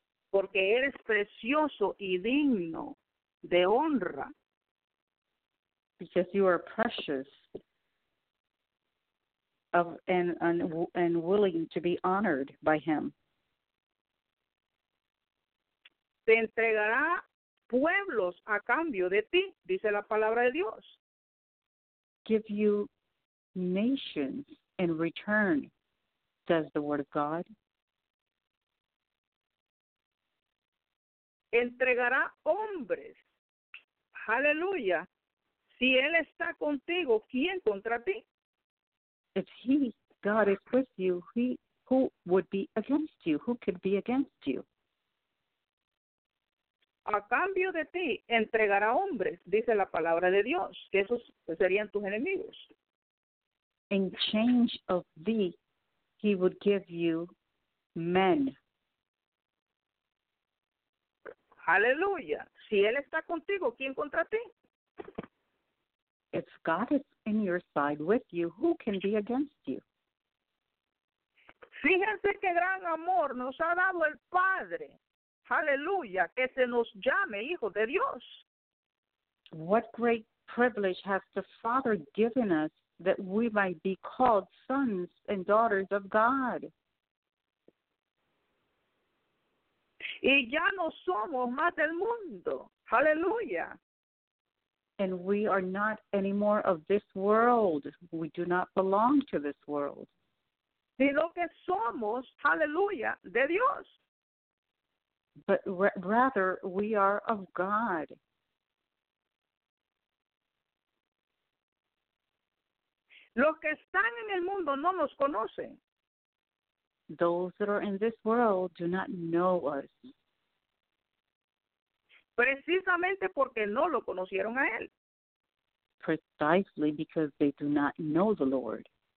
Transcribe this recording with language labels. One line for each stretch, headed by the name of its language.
Spanish: Porque eres precioso y digno de honra.
English: Because you are precious of and willing to be honored by him.
Spanish: Te entregará pueblos a cambio de ti, dice la palabra de Dios.
English: Give you nations in return, says the word of God.
Spanish: Entregará hombres. Aleluya. Si él está contigo, ¿quién contra ti?
English: If he, God, is with you, who would be against you? Who could be against you?
Spanish: A cambio de ti, entregará hombres, dice la palabra de Dios, que esos serían tus enemigos.
English: In change of thee, he would give you men.
Spanish: Aleluya. Si él está contigo, ¿quién contra ti?
English: If God is in your side with you, who can be against you?
Spanish: Fíjense qué gran amor nos ha dado el Padre. Aleluya, que se nos llame hijo de Dios.
English: What great privilege has the Father given us that we might be called sons and daughters of God?
Spanish: Y ya no somos más del mundo. Aleluya.
English: And we are not anymore of this world. We do not belong to this world.
Spanish: Sino que somos, aleluya, de Dios.
English: But rather, we are of God.
Spanish: Los que están en el mundo no nos conocen.
English: Those that are in this world do not know us.
Spanish: Precisamente porque no lo conocieron a él.
English: Precisely because they do not know the Lord.